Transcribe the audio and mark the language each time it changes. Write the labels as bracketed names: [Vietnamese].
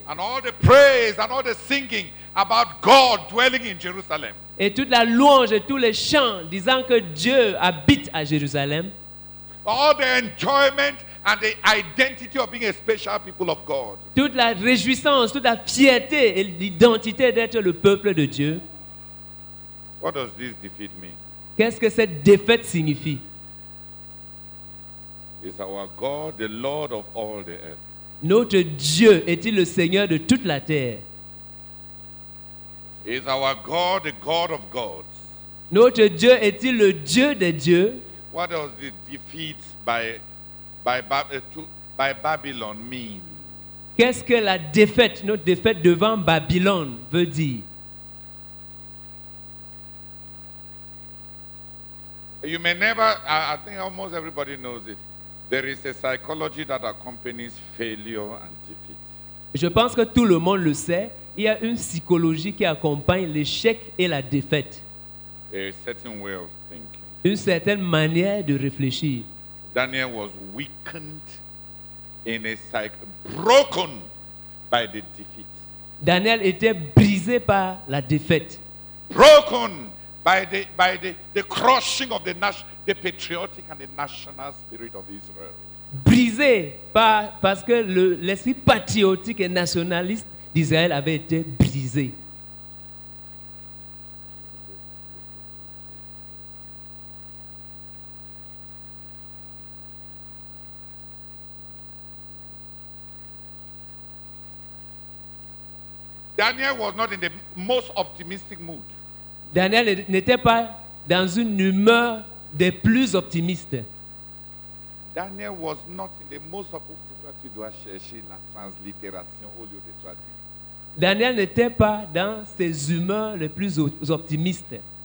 [English] And all the praise and all the singing about God dwelling in Jerusalem. [French] Et toute la louange et tous les chants disant que Dieu habite à Jérusalem. [English] All the enjoyment and the identity of being a special people of God. [French] Toute la réjouissance, toute la fierté et l'identité d'être le peuple de Dieu. [English] What does this defeat mean? [French] Qu'est-ce que cette défaite signifie? [English] Is our God the Lord of all the earth? [French] Notre Dieu est-il le Seigneur de toute la terre? [English] Is our God the God of gods? [French] Notre Dieu est-il le Dieu des dieux? [English] What does the defeat by Babylon mean? [French] Qu'est-ce que la défaite, notre défaite devant Babylone veut dire? [English] You may never, I think almost everybody knows it. There is a psychology that accompanies failure and defeat. [French] Je pense que tout le monde le sait. Il y a une psychologie qui accompagne l'échec et la défaite. [English] A certain way of thinking. [French] Une certaine manière de réfléchir. [English] Daniel was weakened in a psyche, broken by the defeat. [French] Daniel était brisé par la défaite. [English] Broken by the crushing of the patriotic and the national spirit of Israel. [French] Brisé parce que l'esprit patriotique et nationaliste d'Israël avait été brisé. [English] Daniel was not in the most optimistic mood. [French] Daniel n'était pas dans une humeur des plus optimistes. [English] Daniel was not in the most optimistic. [French] Pourquoi tu dois chercher la translittération au lieu de traduire? Daniel n'était pas dans ses humeurs les plus optimistes.